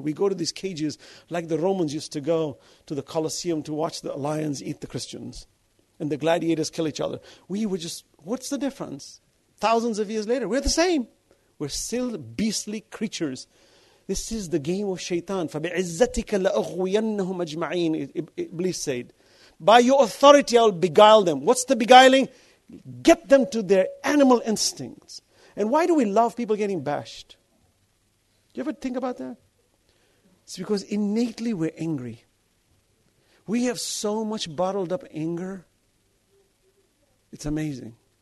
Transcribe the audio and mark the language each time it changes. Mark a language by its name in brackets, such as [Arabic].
[English] We go to these cages like the Romans used to go to the Colosseum to watch the lions eat the Christians. And the gladiators kill each other. We were just, what's the difference? Thousands of years later, we're the same. We're still beastly creatures. This is the game of shaitan. [Arabic] فَبِعِزَّتِكَ لَأَغْوِيَنَّهُمْ أَجْمَعِينَ, [English] Iblis said. By your authority, I'll beguile them. What's the beguiling? Get them to their animal instincts. And why do we love people getting bashed? Do you ever think about that? It's because innately we're angry. We have so much bottled up anger. It's amazing.